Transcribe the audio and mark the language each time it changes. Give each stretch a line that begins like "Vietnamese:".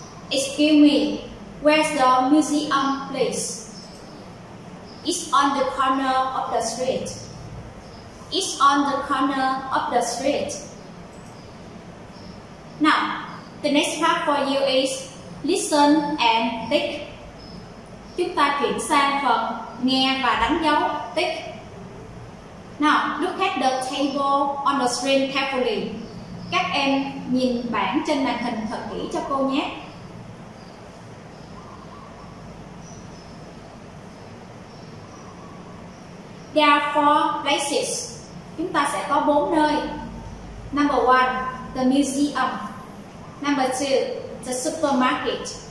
English: Excuse me, where's the museum, please? It's on the corner of the street. It's on the corner of the street. Now, the next part for you is listen and tick.
Vietnamese: Chúng ta chuyển sang phần nghe và đánh dấu tick.
English: Now, look at the table on the screen carefully.
Vietnamese: Các em nhìn bảng trên màn hình thật kỹ cho cô nhé.
English: There are four places.
Vietnamese: Chúng ta sẽ có bốn nơi.
English: Number one, the museum. Number two, the supermarket.